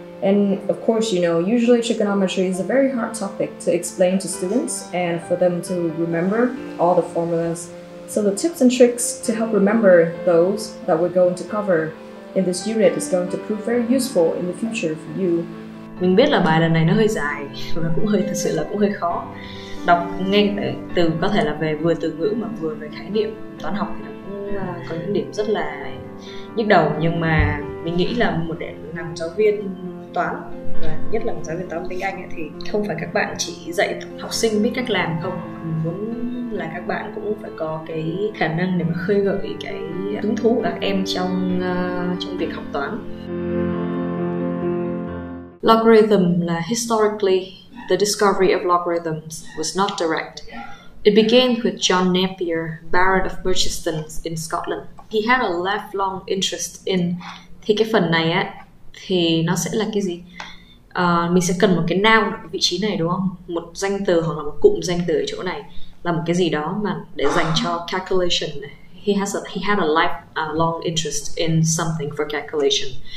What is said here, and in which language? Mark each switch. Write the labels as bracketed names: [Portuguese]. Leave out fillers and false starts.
[English] And of course, you know, usually trigonometry is a very hard topic to explain to students and for them to remember all the formulas. So the tips and tricks to help remember those that we're going to cover in this unit is going to prove very useful in the future for you. [Vietnamese] Mình biết là bài lần này nó hơi dài và cũng hơi thật sự là cũng hơi khó. Đọc nghe từ có thể là về vừa từ ngữ mà vừa về khái niệm toán học thì nó cũng có những điểm rất là nhức đầu, nhưng mà mình nghĩ là một để làm giáo viên toán và nhất là một giáo viên toán tiếng Anh thì không phải các bạn chỉ dạy học sinh biết cách làm không, mình muốn là các bạn cũng phải có cái khả năng để mà khơi gợi cái hứng thú của các em trong việc học toán. [English] Logarithm, là historically, the discovery of logarithms was not direct. It began with John Napier, Baron of Merchiston in Scotland. He had a lifelong interest in... [Vietnamese] Thì cái phần này á, thì nó sẽ là cái gì? Mình sẽ cần một cái noun ở vị trí này đúng không? Một danh từ hoặc là một cụm danh từ ở chỗ này là một cái gì đó mà để dành cho calculation. [English] He had a lifelong interest in something for calculation.